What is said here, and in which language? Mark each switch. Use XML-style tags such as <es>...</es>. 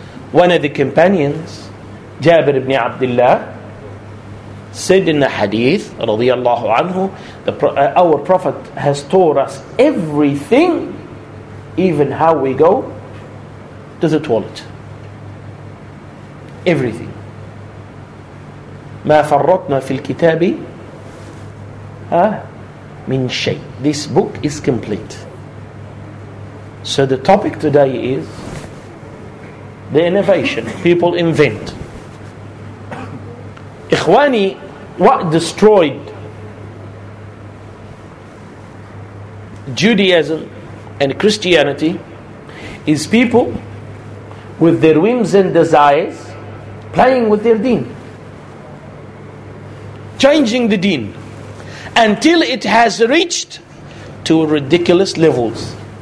<en>One of the companions, Jabir ibn Abdullah, said in the hadith, radiyallahu anhu, our Prophet has taught us everything, even how we go to the toilet. Everything.</en> <ar>ما فرطنا في الكتاب من شيء.</ar> <en>This book is complete. So the topic today is the innovation. People invent. Ikhwani, what destroyed Judaism and Christianity is people with their whims and desires playing with their deen, changing the deen until it has reached to ridiculous levels.</en>